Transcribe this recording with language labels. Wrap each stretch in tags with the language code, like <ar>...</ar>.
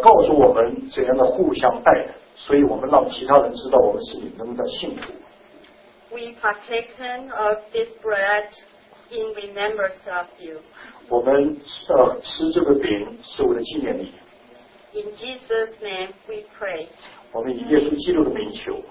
<zh>告诉我们怎样的互相爱，所以我们让其他人知道我们是你们的信徒。</zh> <en>We partake of this bread in remembrance of you.</en> <zh>我们吃这个饼是为了纪念你。</zh> <en>In Jesus' name we pray.</en> <zh>我们以耶稣基督的名求。</zh>